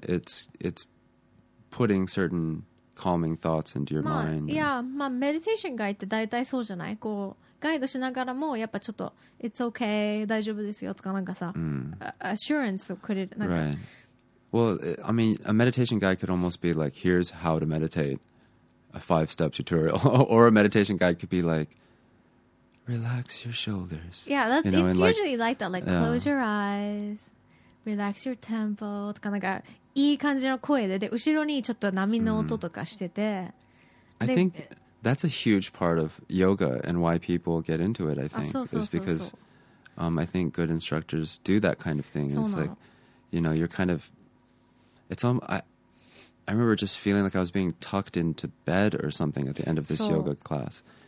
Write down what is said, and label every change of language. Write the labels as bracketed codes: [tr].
[en] It's putting certain calming thoughts into your mind. [ja] Yeah, まあメディテーションガイって大体そうじゃない？こうガイドしながらもやっぱちょっと [en] It's okay, [ja] 大丈夫ですよとかなんかさ、assurance をくれる。 [en] Right. Well, I mean, a meditation guide could almost be like, here's how to meditate, a 5-step tutorial, or a meditation guide could be like, relax your shoulders. Yeah, that's, you know, it's usually like that. Like, close your eyes, relax your tempo [ja] とかなんか。いい感じの声で、で後ろにちょっと波の音とかしてて、 [en] I think that's a huge part of yoga and why people get into it. I think is because I think good instructors do that kind of thing. It's like, you know, you're kind of, it's all, I remember just feeling like I was being tucked into bed or something at the end of this yoga class.